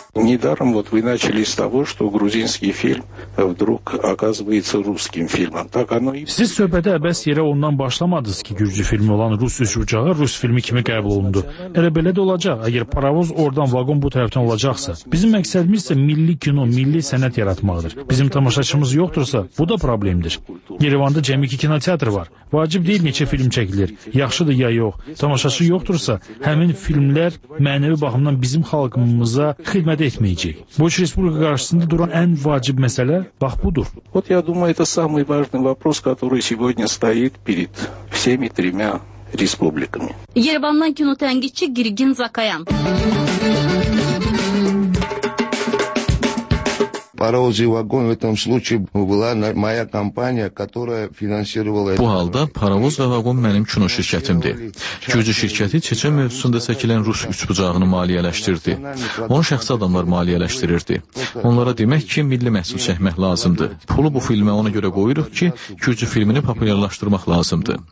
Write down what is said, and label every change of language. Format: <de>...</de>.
<ru>Недаром вот вы начали с того, что грузинский фильм вдруг оказывается русским фильмом. Так оно и...</ru> <az>Siz söhbətə əbəs yerə ondan başlamadınız ki, gürcü filmi olan Rus üç uçağı Rus filmi kimi qəbul olundu. Elə belə də olacaq, əgər paravoz oradan vaqon bu tərəfdən olacaqsa. Bizim məqsədimiz isə milli kino, milli sənət yaratmaqdır. Bizim tamaşaçımız yoxdursa, bu da problemdir. Yerevanda cəmi iki kinoteatr var. Vacib deyil neçə film çəkilir, yaxşıdır ya yox. Tamaşaçı yoxdursa, həmin filmlər mənəvi baxımdan bizim xalqımıza xidmət etməyəcək. Bu üç respublika qarşısında duran ən vacib məsələ bax budur.</az> <ru>Вот я думаю, это самый важный вопрос, который сегодня стоит перед всеми тремя республиками.</ru> <az>Yerevandan kino tənqidçi Girgin Zakayan.</az> <ru>Паровозный вагон в этом случае была моя компания, которая финансировала...</ru> <az>Bu halda paravoz və vagon mənim kino şirkətimdir. Gürcü şirkəti Çeçen mövzusunda çəkilən Rus üç bucağını maliyyələşdirdi. 10 şəxsi adamlar maliyyələşdirirdi. Onlara demək ki, milli məhsul çəkmək lazımdır. Pulu bu filmə ona görə qoyuruq ki, gürcü filmini populyarlaşdırmaq lazımdır.</az>